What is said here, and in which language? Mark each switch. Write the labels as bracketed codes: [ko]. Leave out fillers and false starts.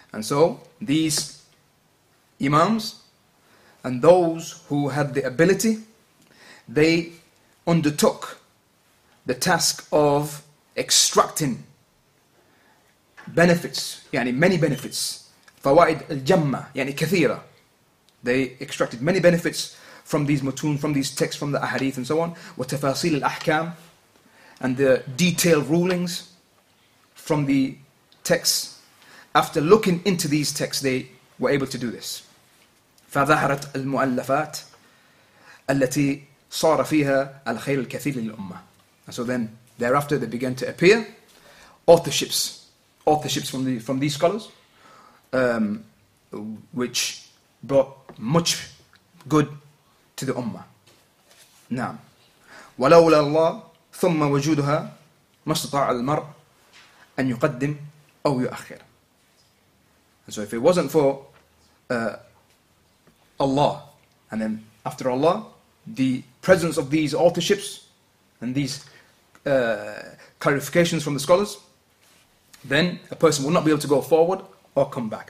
[en] And so, these Imams and those who had the ability, they undertook the task of extracting benefits, yani many benefits, [ar] fawaid al-jamma, yani kathira. [en] They extracted many benefits from these matun, from these texts, from the ahadith and so on, [ar] wa tafasil al-ahkam, [en] and the detailed rulings from the texts. After looking into these texts, they were able to do this. [ar] فظهرت المؤلفات التي صار فيها الخير الكثير للأمة. [en] So then, thereafter, they began to appear authorships from these scholars, which brought much good to the Ummah. [ar] نعم. ولولا الله ثم وجودها ما استطاع المرء أن يقدم أو يؤخر. [en] So if it wasn't for Allah, and then after Allah, the presence of these authorships and these clarifications from the scholars, then a person would not be able to go forward or come back.